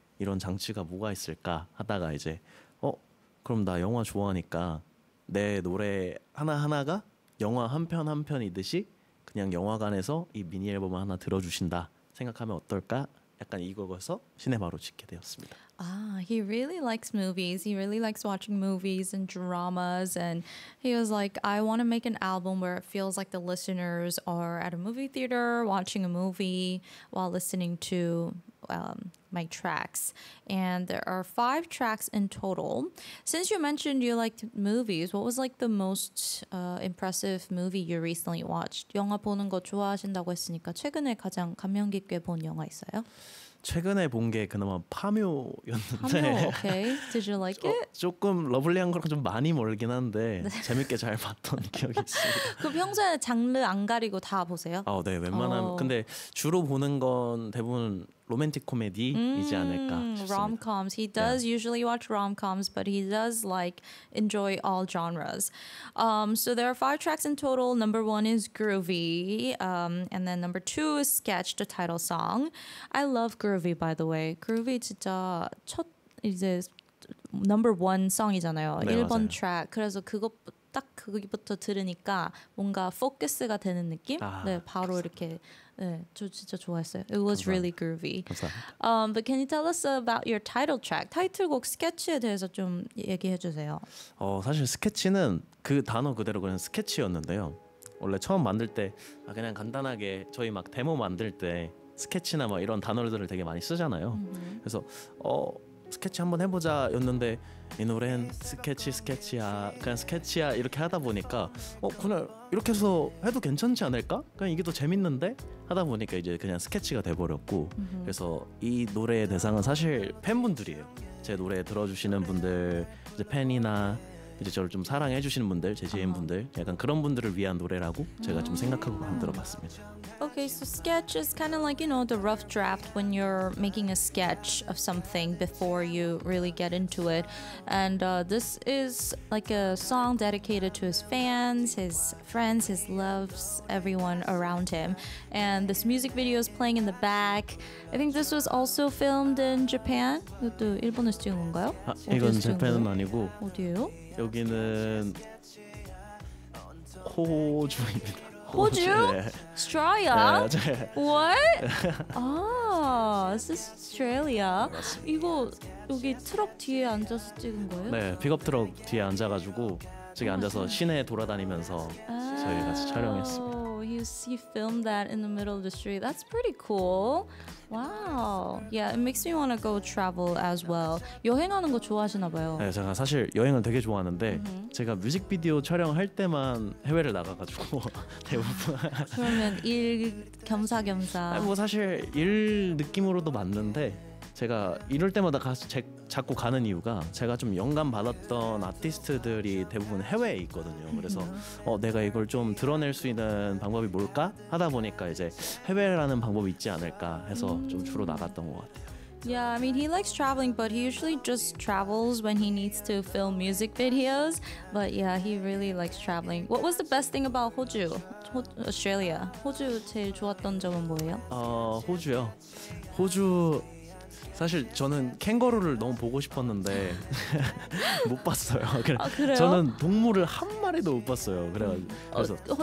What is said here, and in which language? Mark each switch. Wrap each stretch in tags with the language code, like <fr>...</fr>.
<ko>이런 장치가 뭐가 있을까 하다가 이제 그럼 나 영화 좋아하니까 내 노래 하나하나가 영화 한편 한편이듯이 그냥 영화관에서 이 미니 앨범 하나 들어주신다 생각하면 어떨까? 약간 이거에서 시네마로 찍게 되었습니다.</ko> <en>Ah, he really likes movies. He really likes watching movies and dramas. And he was like, I want to make an album where it feels like the listeners are at a movie theater watching a movie while listening to my tracks. And there are 5 tracks in total. Since you mentioned you liked movies, what was like the most impressive movie you recently watched?</en> <ko>영화 보는 거 좋아하신다고 했으니까 최근에 가장 감명 깊게 본 영화 있어요? 최근에 본 게 그나마 파묘였는데</ko> <en>파묘, okay. Did you like it?</en> <ko>조금 러블리한 거랑 좀 많이 멀긴 한데 네. 재밌게 잘 봤던 기억이 있어요. 그럼 평소에 장르 안 가리고 다 보세요? 네, 웬만하면. 근데 주로 보는 건 대부분 로맨틱 코미디이지 않을까 싶습니다.</ko> <en>Rom-coms. He does yeah. usually watch rom-coms, but he does like enjoy all genres. So there are 5 tracks in total. Number 1 is Groovy, and then number 2 is Sketch, the title song. I love Groovy, by the way. Groovy</en> <ko>진짜 첫 이제</ko> <en>number 1 song이잖아요.</en> <ko>네, 1번 맞아요.</ko> <en>track.</en> <ko>그래서 그거 딱 거기부터 들으니까 뭔가 포커스가 되는 느낌. 네, 바로 그래서. 이렇게. 네, 저 진짜 좋았어요.</ko> <en>It was</en> <ko>감사합니다.</ko> <en>really groovy. But can you tell us about your title track?</en> <ko>타이틀곡 스케치에 대해서 좀 얘기해 주세요. 사실 스케치는 그 단어 그대로 그냥 스케치였는데요. 원래 처음 만들 때 그냥 간단하게 저희 막 데모 만들 때 스케치나 막 이런 단어들을 되게 많이 쓰잖아요. 그래서 스케치 한번 해보자 였는데 이 노래는 스케치 스케치야 그냥 스케치야 이렇게 하다 보니까 그냥 이렇게 해서 해도 괜찮지 않을까? 그냥 이게 더 재밌는데? 하다 보니까 이제 그냥 스케치가 돼버렸고 그래서 이 노래의 대상은 사실 팬분들이에요. 제 노래 들어주시는 분들 이제 팬이나 이제 저를 좀 사랑해 주시는 분들, 제 지인분들, 약간 그런 분들을 위한 노래라고 제가 좀 생각하고 만들어 봤습니다.</ko> <en>Okay, so sketch is kind of like, you know, the rough draft when you're making a sketch of something before you really get into it. And this is like a song dedicated to his fans, his friends, his loves, everyone around him. And this music video is playing in the back. I think this was also filmed in Japan.</en> <ko>이것도 일본에서 찍은 건가요? 이건 재팬은 아니고. 어디요? 여기는 호주입니다. 호주? 오스트레일리아? 네. 네,</ko> <en>What?</en> <ko>아,</ko> <en>this is Australia.</en> <ko>네, 이거 여기 트럭 뒤에 앉아서 찍은 거예요? 네, 픽업 트럭 뒤에 앉아가지고 저기 앉아서 시내 돌아다니면서 저희 같이 촬영했습니다.</ko> <en>He filmed that in the middle of the street. That's pretty cool. Wow. Yeah, it makes me want to go travel as well.</en> <ko>여행하는 거 좋아하시나 봐요. 네, 제가 사실 여행을 되게 좋아하는데 제가 뮤직비디오 촬영할 때만 해외를 나가가지고 대부분. 그러면 일 겸사겸사. 뭐 사실 일 느낌으로도 맞는데 제가 이럴 때마다 자꾸 가는 이유가 제가 좀 영감 받았던 아티스트들이 대부분 해외에 있거든요. 그래서 내가 이걸 좀 드러낼 수 있는 방법이 뭘까 하다 보니까 이제 해외라는 방법이 있지 않을까 해서 좀 주로 나갔던 것 같아요.</ko> <en>Yeah, I mean, he likes traveling, but he usually just travels when he needs to film music videos. But yeah, he really likes traveling. What was the best thing about 호주? Australia.</en> <ko>호주 제일 좋았던 점은 뭐예요? 호주요? 호주... 사실 저는 캥거루를 너무 보고 싶었는데 못 봤어요. 그래요? 저는 동물을 한 마리도 못 봤어요. 그래서</ko>